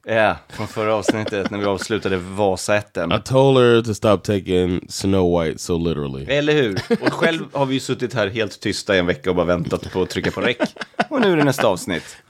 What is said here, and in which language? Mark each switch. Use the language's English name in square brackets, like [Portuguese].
[Swedish] Ja, yeah, från förra avsnittet när vi avslutade Vasa-ätten. [English] I told her to stop taking Snow White so literally. [Swedish] Eller hur? Och själv har vi ju suttit här helt tysta i en vecka och bara väntat på att trycka på rec. Och nu är det nästa avsnitt.